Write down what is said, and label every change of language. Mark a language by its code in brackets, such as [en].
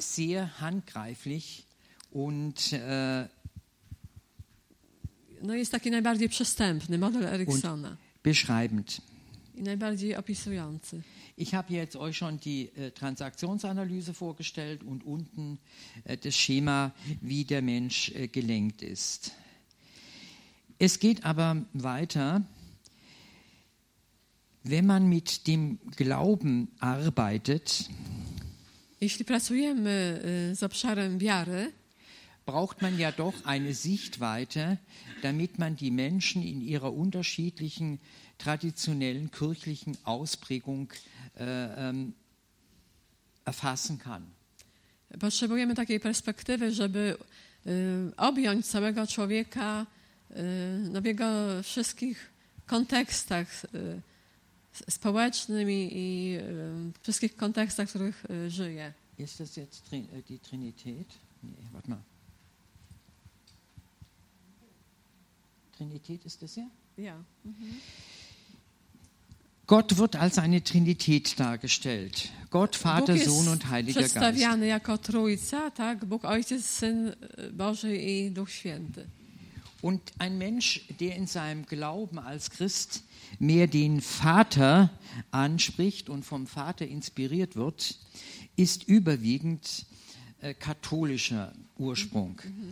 [de] Sehr handgreiflich und [pl] no jest taki najbardziej przystępny model Eriksona. [de] Beschreibend. [pl] I najbardziej opisujący. [de] Ich habe jetzt euch schon die Transaktionsanalyse vorgestellt und unten das Schema, wie der Mensch gelenkt ist. Es geht aber weiter, wenn man mit dem Glauben arbeitet. [pl] Jeśli pracujemy z obszarem wiary, [de] braucht man ja doch eine Sichtweite, damit man die Menschen in ihrer unterschiedlichen traditionellen kirchlichen Ausprägung erfassen kann. [pl] Potrzebujemy takiej perspektywy, żeby objąć całego człowieka w jego wszystkich kontekstach społecznym i wszystkich kontekstach, w których żyje. [de] Ist das jetzt die Trinität? Nee, warte mal. Trinität ist das ja? Ja. Gott wird als eine Trinität dargestellt. Gott, Vater, Sohn und Heiliger Geist. [pl] Bóg jest przedstawiany jako Trójca, tak? Bóg Ojciec, Syn Boży i Duch Święty. [de] Und ein Mensch, der in seinem Glauben als Christ mehr den Vater anspricht und vom Vater inspiriert wird, ist überwiegend katholischer Ursprung.